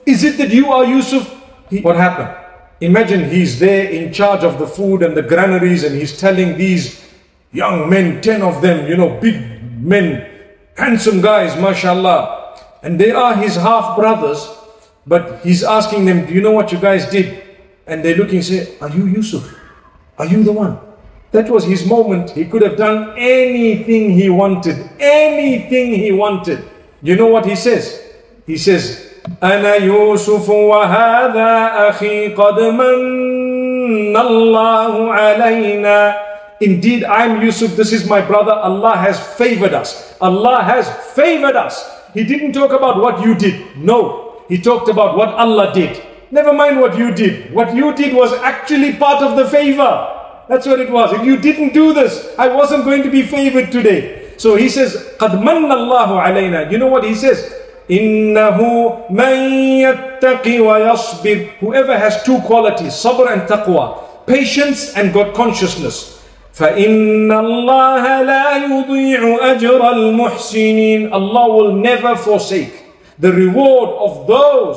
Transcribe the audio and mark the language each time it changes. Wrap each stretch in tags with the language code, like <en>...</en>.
<en>Is it that you are Yusuf? What happened? Imagine he's there in charge of the food and the granaries, and he's telling these young men, 10 of them, you know, big men, handsome guys, mashallah. And they are his half-brothers, but he's asking them, do you know what you guys did? And they look and say, are you Yusuf? Are you the one? That was his moment. He could have done anything he wanted. Anything he wanted. You know what he says? He says,</en> <ar>أَنَا يُوسُفُ وَهَذَا أَخِي قَدْ مَنَّ اللَّهُ عَلَيْنَا.</ar> <en>Indeed, I'm Yusuf. This is my brother. Allah has favored us. Allah has favored us. He didn't talk about what you did. No. He talked about what Allah did. Never mind what you did. What you did was actually part of the favor. That's what it was. If you didn't do this, I wasn't going to be favored today. So he says,</en> <ar>قَدْ مَنَّ اللَّهُ عَلَيْنَا.</ar> <en>You know what he says?</en> <ar>إِنَّهُ مَنْ يَتَّقِ وَيَصْبِرُ.</ar> <en>Whoever has two qualities, sabr and taqwa, patience and God consciousness.</en> <ar>فَإِنَّ اللَّهَ لَا يُضِيعُ أَجْرَ الْمُحْسِنِينَ.</ar> <en>Allah will never forsake the reward of those.</en>